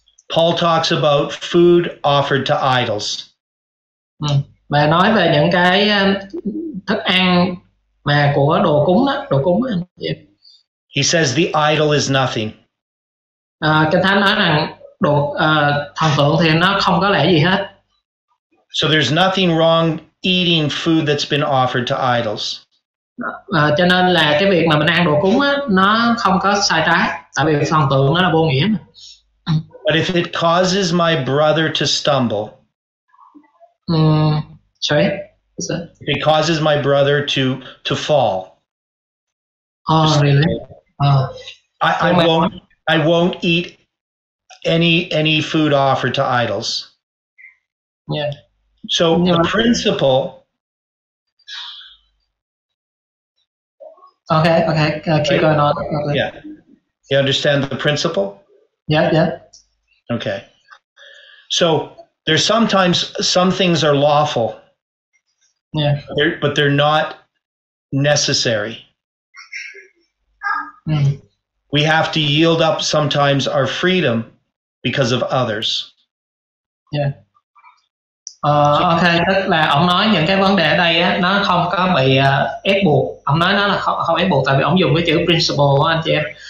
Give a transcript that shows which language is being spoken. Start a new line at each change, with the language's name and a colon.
English: Paul talks about food offered to idols.
Vietnamese: Mà nói về những cái thức ăn mà của đồ cúng đó, đồ cúng đó.
English: Yeah. He says the idol is nothing.
Vietnamese: Kinh Thánh nói rằng đồ thần tượng thì nó không có lẽ gì hết.
English: So there's nothing wrong eating food that's been offered to idols.
Vietnamese: Cho nên là cái việc mà mình ăn đồ cúng á, nó không có sai trái, tại vì thần tượng nó là vô nghĩa mà.
English: But if it causes my brother to stumble. Sorry. It causes my brother to fall. Oh, just really? I won't eat any food offered to idols. Yeah. So the principle. Okay. Keep going on. Okay. Yeah. You understand the principle? Yeah. Okay. So there's sometimes some things are lawful. Yeah. But they're not necessary. Mm. We have to yield up sometimes our freedom because of others. Yeah.
Vietnamese: Okay, tức là ông nói những cái vấn đề ở đây á, nó không có bị ép buộc. Ông nói nó là không ép buộc tại vì ông dùng cái chữ principle á anh chị em.